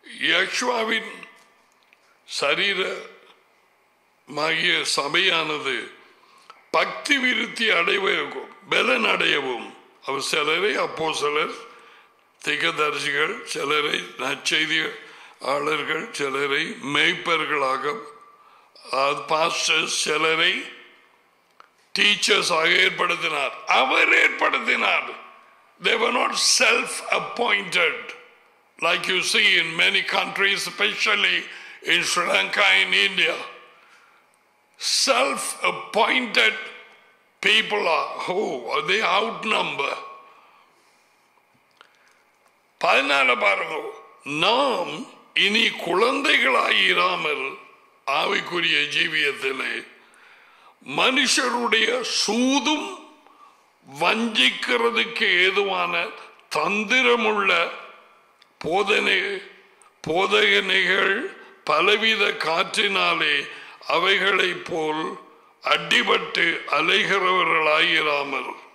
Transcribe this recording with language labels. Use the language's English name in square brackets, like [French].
[Tamil] யஷ்வாவின் சரீரமாகிய சபையானது பக்தி விருத்தி அடைவதற்கும் பலன் அடையவும், அவர் சிலரை அப்போஸ்தலர், திகதரிசிகள், சிலரை நற்செய்தி ஆளர்கள், சிலரை மேய்ப்பர்களாக பாஸ்டர்ஸ், சிலரை டீச்சர்ஸாக ஏற்படுத்தினார். அவர் ஏற்படுத்தினார். [English] They were not self-appointed like you see in many countries, especially in Sri Lanka and India. Self-appointed people are they outnumber. [Tamil] பதினால பாருங்க, நாம் இனி குழந்தைகளாய் இராமல் ஆவிக்குரிய ஜீவியத்திலே மனுஷருடைய சூதும் வஞ்சிக்கிறதுக்கு ஏதுவான தந்திரமுள்ள போதகனைகள் பலவித காற்றினாலே அவைகளை போல் அடிபட்டு அலைகிறவர்களாயிராமல்.